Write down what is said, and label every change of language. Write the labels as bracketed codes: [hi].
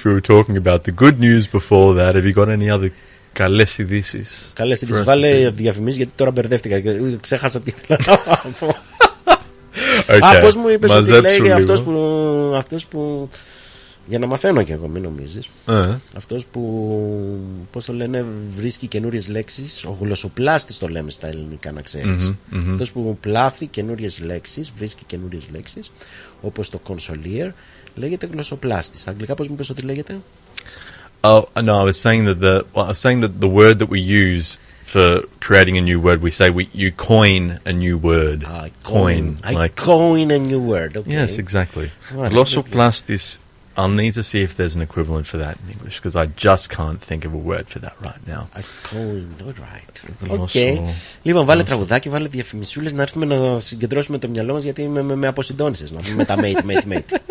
[en] We were talking about the good news before that. Have you got any other [el] καλές ειδήσεις? Καλές ειδήσεις. Βάλε διαφημίσεις, γιατί τώρα μπερδεύτηκα και ξέχασα τι ήθελα να πω. [en] Okay. [el] Α, πώς μου είπες ότι λέει αυτός που για να μαθαίνω και εγώ, μην νομίζεις. Αυτός που, πώς το λένε, βρίσκει καινούριες λέξεις. Ο γλωσσοπλάστης το λέμε στα ελληνικά, να ξέρεις. Αυτός που πλάθει καινούριες λέξεις, βρίσκει καινούριες λέξεις, όπως το consolier, λέγεται γλωσσοπλάστης. Στα αγγλικά πώς μου είπες ότι λέγεται? [en] I was saying that the word that we use for creating a new word, we say you coin a new word. I coin a new word. Okay. Yes, exactly. Glossoplastis. I'll need to see if there's an equivalent for that in English, because I just can't think of a word for that right now. I coin. All right. Okay. [el] Λοιπόν, βάλε τραγουδάκι, βάλε διαφημισούλες, να έρθουμε να συγκεντρώσουμε το μυαλό μας, γιατί με αποσυντώνησες, να πούμε τα mate.